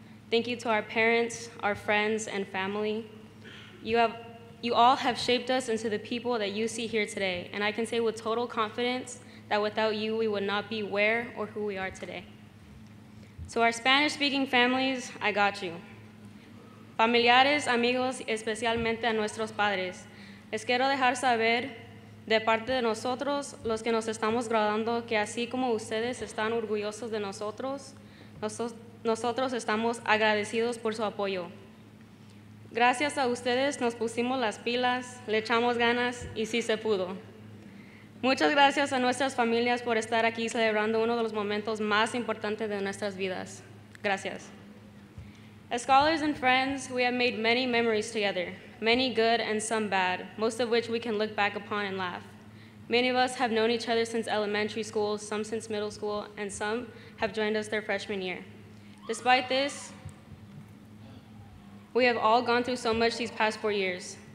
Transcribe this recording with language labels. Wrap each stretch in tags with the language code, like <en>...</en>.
<en>Thank you to our parents, our friends, and family. You all have shaped us into the people that you see here today, and I can say with total confidence that without you, we would not be where or who we are today. To our Spanish-speaking families, I got you.</en> <es>Familiares, amigos, especialmente a nuestros padres, les quiero dejar saber de parte de nosotros, los que nos estamos graduando, que así como ustedes están orgullosos de nosotros, nosotros estamos agradecidos por su apoyo. Gracias a ustedes, nos pusimos las pilas, le echamos ganas y sí se pudo. Muchas gracias a nuestras familias por estar aquí celebrando uno de los momentos más importantes de nuestras vidas. Gracias.</es> <en>As scholars and friends, we have made many memories together. Many good and some bad, most of which we can look back upon and laugh. Many of us have known each other since elementary school, some since middle school, and some have joined us their freshman year. Despite this, we have all gone through so much these past 4 years.</en>